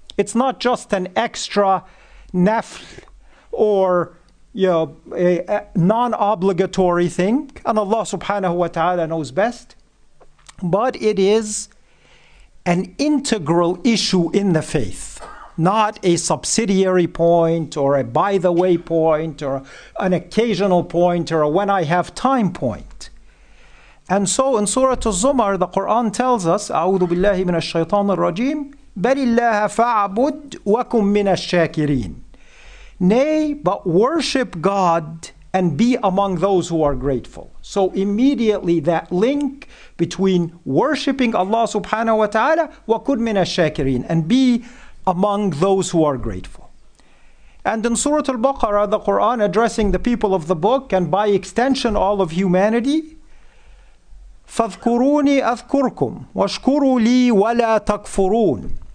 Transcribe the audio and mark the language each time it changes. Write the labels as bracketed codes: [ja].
[en] It's not just an extra nafl or a non-obligatory thing, and Allah subhanahu wa ta'ala knows best, but it is an integral issue in the faith, not a subsidiary point or a by the way point or an occasional point or a when I have time point. And so in Surah Az-Zumar, the Quran tells us, [ar] أَعُوذُ بِاللَّهِ مِنَ الشَّيْطَانِ الرَّجِيمِ بَلِ اللَّهَ فَاعْبُدْ وَكُمْ مِنَ الشَّاكِرِينَ. [en] Nay, but worship God and be among those who are grateful. So immediately that link between worshiping Allah subhanahu wa ta'ala [ar] wa kun min ash-shakirin [en] and be among those who are grateful. And in Surah Al-Baqarah, the Quran addressing the people of the book and by extension all of humanity, [ar] فَاذْكُرُونِ أَذْكُرْكُمْ وَاشْكُرُوا لِي وَلَا تَكْفُرُونَ.